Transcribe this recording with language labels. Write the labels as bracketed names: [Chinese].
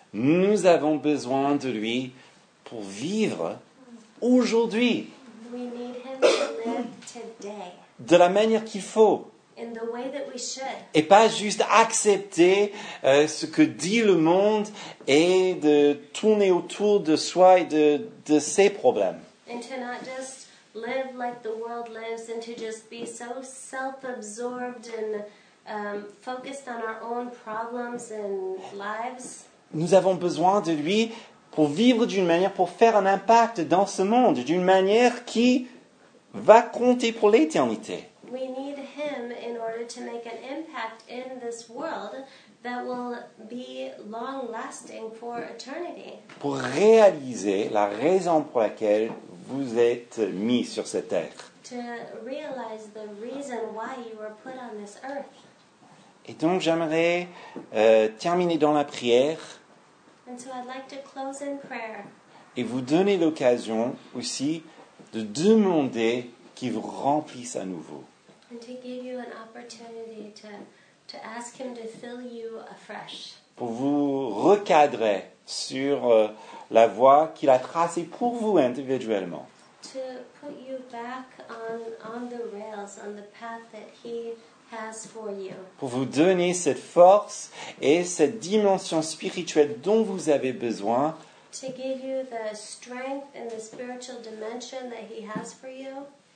[French] Nous avons besoin de lui pour vivre aujourd'hui. [English] We need him to live today. [French] De la manière qu'il faut. [English] In the way that we should. [French] Et pas juste accepter ce que dit le monde et de tourner autour de soi et de ses problèmes. [English] And to not just live like the world lives and to just be so self-absorbed and focused on our own problems and lives. [French] Nous avons besoin de lui pour vivre d'une manière, pour faire un impact dans ce monde, d'une manière qui va compter pour l'éternité. [English] We need him in order to make an impact in this world that will be long-lasting for eternity. [French] Pour réaliser la raison pour laquelle vous êtes mis sur cette terre. [English] To realize the reason why you were put on this earth. [French] Et donc j'aimerais terminer dans la prière. [English] And so I'd like to close in prayer. [French] Et vous donner l'occasion aussi de demander qu'il vous remplisse à nouveau. [English] And to give you an opportunity to ask him to fill you afresh. [French] Pour vous recadrer sur la voie qu'il a tracée pour vous individuellement. [English] To put you back on the rails, on the path that he has for you. [French] Pour vous donner cette force et cette dimension spirituelle dont vous avez besoin. [English] To give you the strength and the spiritual dimension that he has for you.